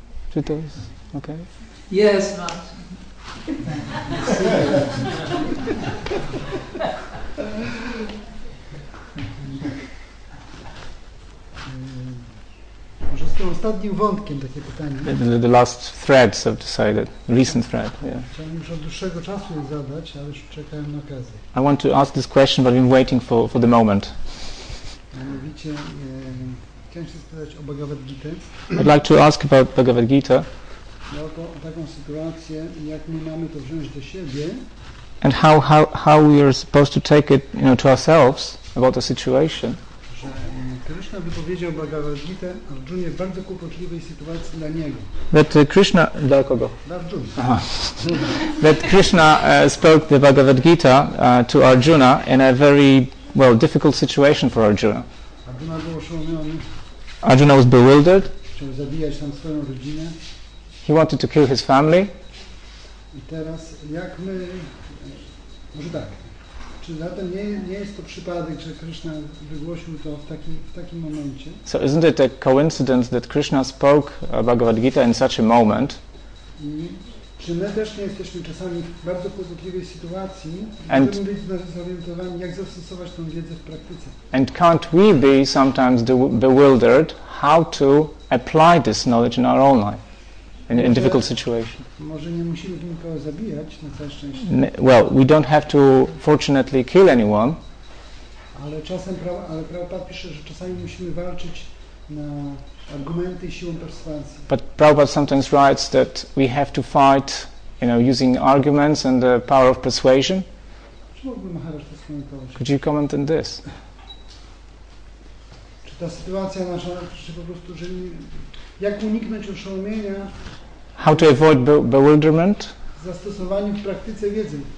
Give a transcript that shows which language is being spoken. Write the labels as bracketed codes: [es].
[pl] Czy to jest ok? [en] Yes, not. [pl] Może z tym ostatnim wątkiem takie pytanie. [en] The last threads have decided. Recent thread. Yeah. [pl] Chciałem już od dłuższego czasu je zadać, ale już czekałem na okazję. [en] I want to ask this question, but I've been waiting for the moment. [pl] Mianowicie, chciałem się spytać o Bhagavad Gita. [en] I'd like to ask about Bhagavad Gita. [pl] O taką sytuację, jak my mamy to wziąć do siebie. [en] And how we are supposed to take it, you know, to ourselves about the situation. [pl] Krishna wypowiedział Bhagavad Gita Arjunie w bardzo kłopotliwej sytuacji dla niego. [en] That [pl] Krishna, dla kogo? Dla Arjuna. [en] That Krishna spoke the Bhagavad Gita to Arjuna in a very, well, difficult situation for Arjuna. [pl] Arjuna był oszołomiony. [en] Arjuna was bewildered. [pl] Chciał zabijać tam swoją rodzinę. [en] He wanted to kill his family. [pl] I teraz jak my, może tak. Czy zatem nie jest to przypadek, że Krishna wygłosił to w takim momencie? [en] So isn't it a coincidence that Krishna spoke Bhagavad Gita in such a moment? [pl] Czy my też nie jesteśmy czasami w bardzo kłopotliwej sytuacji, żeby być zorientowani, jak zastosować tę wiedzę w praktyce? [en] And can't we be sometimes bewildered how to apply this knowledge in our own life? In a difficult situation. [pl] Może nie musimy nikogo zabijać, na całe szczęście. [en] Well, we don't have to fortunately kill anyone. [pl] Ale czasem, ale Prabhupada pisze, że czasami musimy walczyć na argumenty i siłą perswazji. [en] But Prabhupada sometimes writes that we have to fight, you know, using arguments and the power of persuasion. Could you comment on this? [pl] Czy ta sytuacja nasza, czy po prostu, że jak uniknąć oszołomienia? [en] How to avoid bewilderment? [pl] Zastosowaniem w praktyce wiedzy.